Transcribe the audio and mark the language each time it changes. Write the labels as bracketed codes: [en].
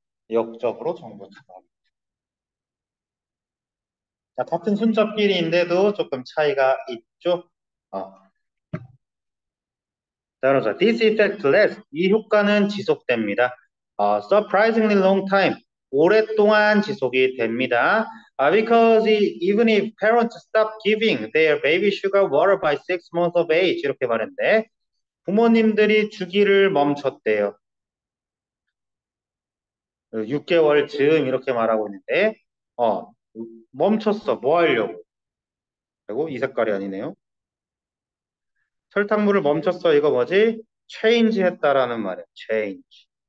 [ko] 역적으로 정보 추가하겠다. 자, 같은 순접끼리인데도 조금 차이가 있죠? [en] 자, this effect lasts. [ko] 이 효과는 지속됩니다. [en] Surprisingly long time. [ko] 오랫동안 지속이 됩니다. [en] Because even if parents stop giving their baby sugar water by 6 months of age. [ko] 이렇게 말했는데. 부모님들이 주기를 멈췄대요. 6개월 즈음 이렇게 말하고 있는데, 멈췄어. 뭐 하려고? 아이고, 이 색깔이 아니네요. 설탕물을 멈췄어. 이거 뭐지? Change 했다라는 말이야. Change.